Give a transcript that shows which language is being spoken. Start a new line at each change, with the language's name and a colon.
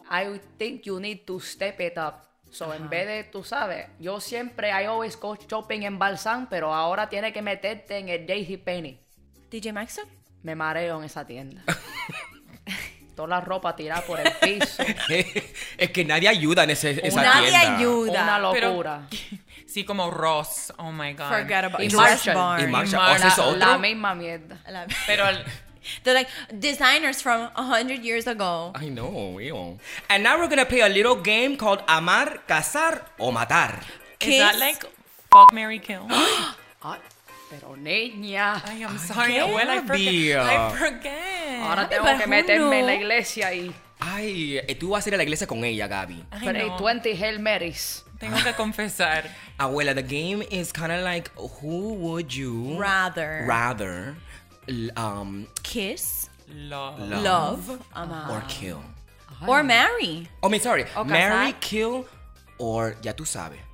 English: I think you need to step it up.
Spanish: So, en vez de, tú sabes, yo siempre, I always go shopping en Balsam, pero ahora tiene que meterte en el JCPenney.
English: DJ Maxx?
Spanish: Me mareo en esa tienda. Toda la ropa tirada por el piso. Es que nadie ayuda en ese, esa nadie tienda. Nadie ayuda. Una locura. Pero, sí, como Ross. Oh, my God.
English: Forget about it.
Spanish: Y Marshall.
English: Barn.
Spanish: Y Marshall. ¿Es otro? La misma mierda. Pero...
English: They're like designers from 100 years ago. I know, yo. And now we're going to play a little game called Amar, Casar o Matar. Kiss. Is that like fuck, marry, kill?
Spanish: Pero niña.
English: Ay, I'm sorry, I abuela. I forget.
Spanish: Ahora tengo que meterme en la iglesia y... Ay, tú vas a ir a la iglesia con ella, Gaby. Pero hay 20 Hail Marys. Tengo que confesar.
English: Abuela, the game is kind of like, who would you... Rather... kiss, love,
Spanish: amar,
English: or kill, or marry. Oh, me sorry. Okay. Marry, kill, or ya tú sabes.